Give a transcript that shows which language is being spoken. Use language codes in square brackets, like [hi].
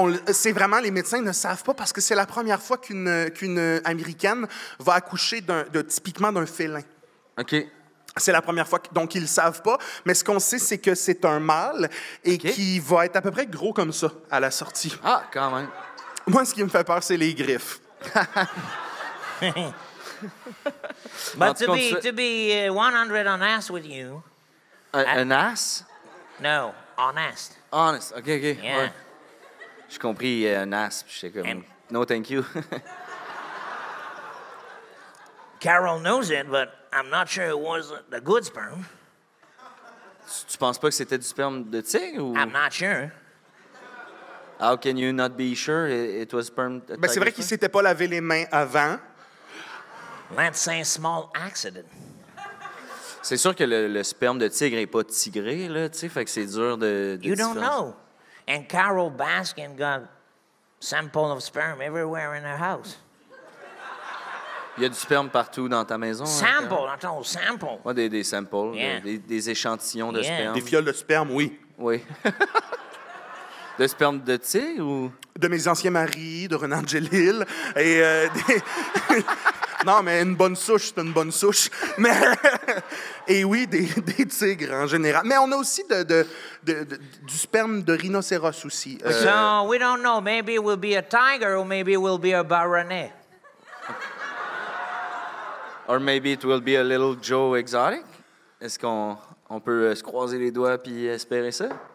[fr] C'est vraiment, les médecins ne savent pas parce que c'est la première fois qu'une Américaine va accoucher typiquement d'un félin. OK. C'est la première fois, donc ils ne savent pas. Mais ce qu'on sait, c'est que c'est un mâle et okay. qui va être à peu près gros comme ça à la sortie. Ah, quand même. Moi, ce qui me fait peur, c'est les griffes. [en] But to be 100 honest with you. An ass? No, honest. Honest, OK, OK. Yeah. [fr] Ouais. J'ai compris un ass, puis j'étais comme, [en] no, thank you. Carol knows it, but I'm not sure it was the good sperm. [fr] Tu penses pas que c'était du sperme de tigre? Ou? [en] I'm not sure. How can you not be sure it was sperm? [fr] Ben c'est vrai qu'il s'était pas lavé les mains avant. [en] Let's say a small accident. [fr] C'est sûr que le sperme de tigre est pas tigré, là, tu sais, fait que c'est dur de [en] You don't know. And Carol Baskin got sample of sperm everywhere in her house. [fr] Il y a du sperme partout dans ta maison. Sample, hein, attends, sample. Ouais, des samples, yeah. des échantillons de sperme. Des fioles de sperme, oui. Oui. De sperme de tigre ou? De mes anciens maris, de Renan Jelil. Et Non, mais une bonne souche, c'est une bonne souche. Mais et oui, des tigres en général. Mais on a aussi du sperme de rhinocéros aussi. [en] So, we don't know. Maybe it will be a tiger or maybe it will be a baronet. Or maybe it will be a little Joe Exotic. [fr] Est-ce qu'on peut se croiser les doigts puis espérer ça?